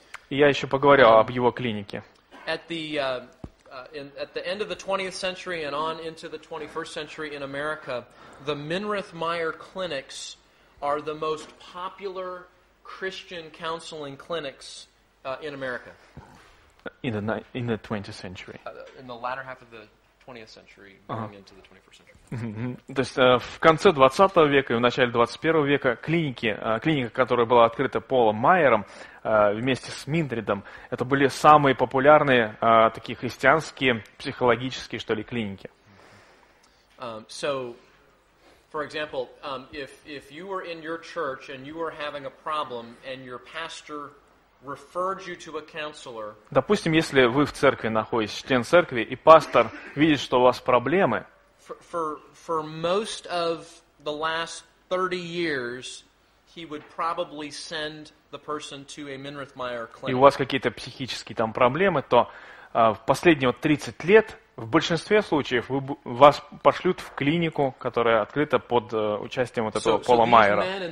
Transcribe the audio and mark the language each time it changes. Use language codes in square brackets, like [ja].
[ru] Я еще поговорю об его клинике. [en] At the end of the 20th century and on into the 21st century in America, the Minrith Meyer Clinics are the most popular Christian counseling clinics in America. In the 20th century. In the latter half of the 20th century, into the 21st century. [ru] То есть в конце 20 века и в начале 21 века клиника, которая была открыта Полом Майером вместе с Минридом, это были самые популярные такие христианские, психологические, что ли, клиники. [en] For example, if you were in your church and you were having a problem and your pastor referred you to a counselor. [ru] Допустим, если вы в церкви находитесь, член церкви, и пастор видит, что у вас проблемы. [en] For most of the last 30 years, he would probably send the person to a Minrith Meyer clinic. [ru] И у вас какие-то психические там проблемы, то в последние 30 лет в большинстве случаев вас пошлют в клинику, которая открыта под участием вот этого Пола Майера.